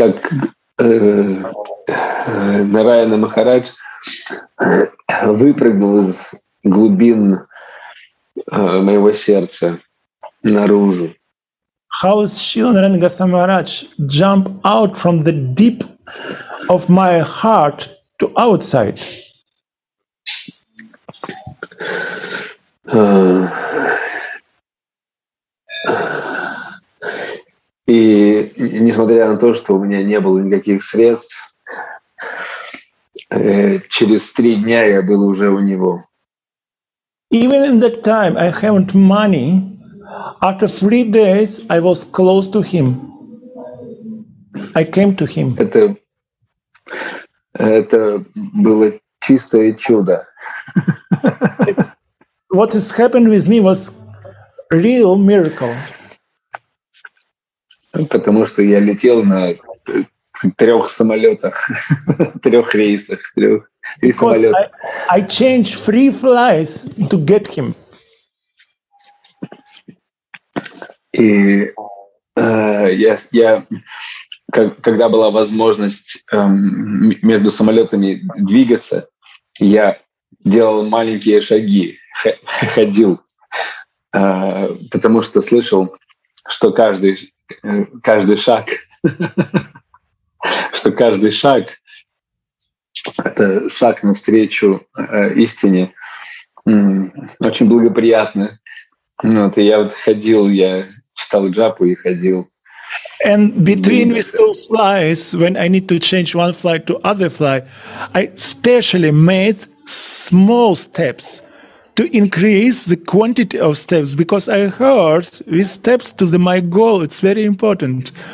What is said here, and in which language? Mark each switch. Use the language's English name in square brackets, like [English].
[Russian] Как Нараяна Махарадж выпрыгнул из глубин моего сердца наружу. [English] How Srila Narayana Maharaj jump out from the deep of my heart to outside? [Russian] И несмотря на то, что у меня не было никаких средств, через три дня я был уже у него. [English] Even in that time I haven't money, after three days I was close to him. I came to him. [Russian] Это было чистое чудо. [English] What has happened with me was real miracle. [Russian] Потому что я летел на трех самолетах, трех рейсах, трех самолетах. [English] I changed three flights to get him. [Russian] И я когда была возможность между самолетами двигаться, я делал маленькие шаги, ходил, потому что слышал, что каждый шаг это шаг навстречу истине, очень благоприятно. Вот, и я вот ходил, я встал джапу и ходил. [English] And between these two flights, when I need to change one flight to other flight, I specially made small steps to increase the quantity of steps, because I heard these steps to my goal, it's very important.